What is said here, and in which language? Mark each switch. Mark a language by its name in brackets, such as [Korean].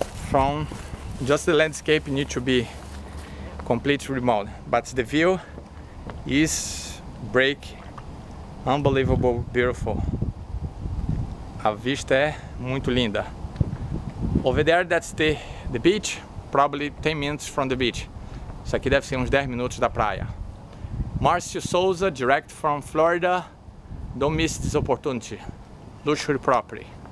[English] From just the landscape need to be complete remodel, but the view is break, unbelievable, beautiful. [Portuguese] A vista é muito linda. [English] Over there, that's the beach, probably 10 minutes from the beach. [Portuguese] Isso aqui deve ser uns 10 minutos da praia. [English] Márcio Souza, direct from Florida. Don't miss this opportunity. Luxury property.